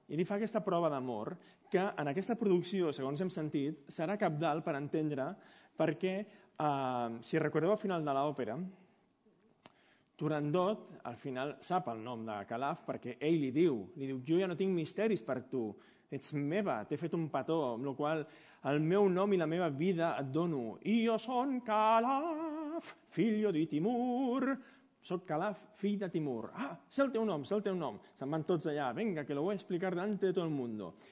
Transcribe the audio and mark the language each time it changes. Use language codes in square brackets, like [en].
[ca] I li fa aquesta prova d'amor que en aquesta producció, segons hem sentit, serà cabdal per entendre perquè, si recordeu al final de l'òpera, Turandot al final sap el nom de Calaf perquè ell li diu «Jo ja no tinc misteris per tu, ets meva, t'he fet un petó, amb la qual el meu nom i la meva vida et dono. [it] Io son Calaf, figlio di Timur». [ca] «Soc Calaf, fill de Timur». «Ah, sé el teu nom». Se'n van tots allà. [es] «Venga, que lo voy a explicar delante de todo el mundo».